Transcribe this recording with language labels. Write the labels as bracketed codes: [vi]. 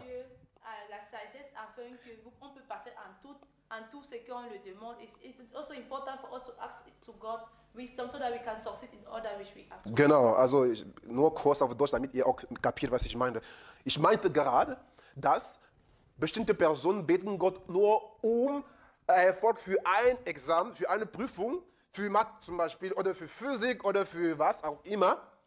[fr] Dieu, la sagesse afin que vous, on peut passer en tout ce qu'on le demande. [en] It's also important for us to ask to God wisdom so that we can succeed in all that which we ask. [de] Genau, also nur kurz auf Deutsch, damit ihr auch kapiert, was ich meine. Ich meinte gerade, dass bestimmte Personen beten Gott nur um Erfolg für ein Examen, für eine Prüfung, für Mathe zum Beispiel oder für Physik oder für was auch immer.